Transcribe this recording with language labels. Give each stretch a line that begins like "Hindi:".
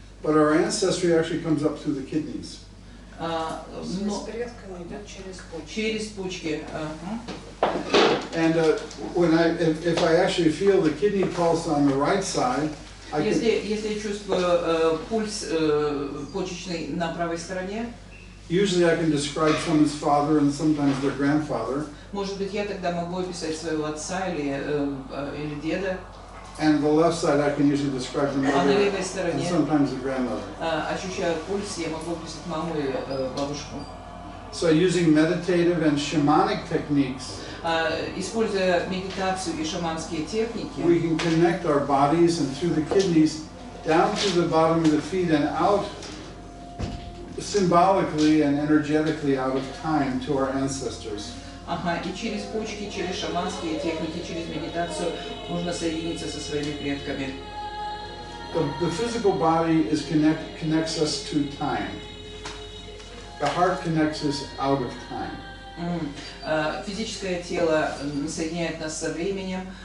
English: But our ancestry actually comes up through the kidneys.
Russian: Но с предками идет через почки. Через почки.
English: And when I, if I actually feel the kidney pulse on the right side, I can.
Russian: Если я чувствую пульс почечный на правой стороне.
English: Usually I can describe someone's father and sometimes their grandfather.
Russian: Может быть, я тогда могу описать своего отца или деда.
English: And the left side I can usually describe the mother and sometimes the grandmother.
Russian: Ощущая пульс, я могу описать маму и бабушку.
English: So using meditative and shamanic techniques.
Russian: Используя медитацию и шаманские техники.
English: We can connect our bodies and through the kidneys down to the bottom of the feet and out symbolically and energetically out of time to our ancestors.
Russian: Ага, и через почки, через шаманские техники, через медитацию можно соединиться со своими предками.
English: the physical body is connects us to time. The heart connects us out of time.
Russian: Физическое тело соединяет нас со временем.